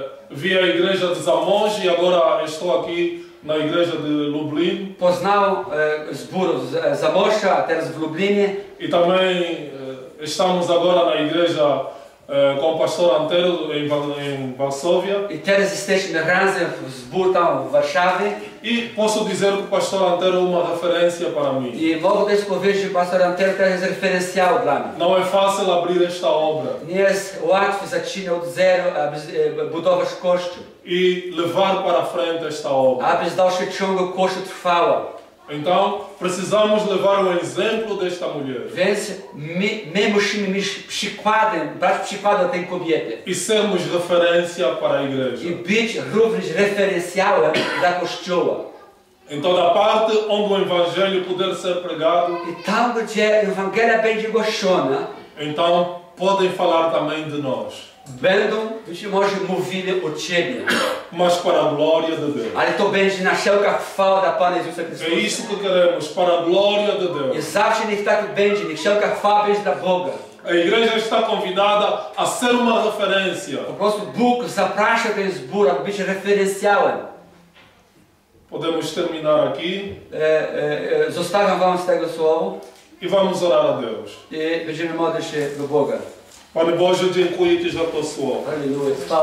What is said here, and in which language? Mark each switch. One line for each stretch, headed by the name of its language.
Portuguese: Vi a igreja de Zamonge e agora estou aqui na igreja de Lublin.
Polish: Poznał zbór z Zamościa, a teraz w Lublinie.
Portuguese: E também estamos agora na igreja com o pastor Antero em Varsóvia.
Polish: E teraz jesteśmy razem w zbór tam w Warszawie.
Portuguese: E posso dizer que o pastor Antero é uma referência para mim.
Polish: E mogę też powiedzieć, że pastor Antero też jest referencjał dla mnie.
Portuguese: Não é fácil abrir esta obra.
Polish: Nie jest łatwo zaczynać od zero, aby budować kościół.
Portuguese: E levar para frente esta obra.
Polish: Aby dalszy ciąg kościół trwała.
Portuguese: Então, precisamos levar o exemplo desta mulher.
Polish: Więc my musimy mieć przykładem, dać przykładem tej kobiety.
Portuguese: I sermos referência para a igreja.
Polish: I być również referencjałem dla Kościoła.
Portuguese: Em toda parte onde o Evangelho puder ser pregado.
Polish: I tam, gdzie Ewangelia będzie głoszona.
Portuguese: Então, podem falar também de nós.
Polish: Będą być może mówili o Ciebie.
Portuguese: Mas para a glória de Deus.
Polish: Ale to będzie na wszelka chwała dla Pana Jezusa Chrystusa.
Portuguese: É isso que queremos, para a glória de Deus.
Polish: I zawsze niech tak będzie, niech wszelka chwała będzie dla Boga.
Portuguese: A igreja está convidada a ser uma referência.
Polish: Po prostu Bóg zaprasza ten zbór, aby być referencjałem.
Portuguese: Podemos terminar aqui.
Polish: Zostawiam Wam z tego słowa.
Portuguese: I vamos orar a Deus.
Polish: I będziemy modlić się do Boga. Panie Boże, dziękuję Ci za to słowo. Aleluja.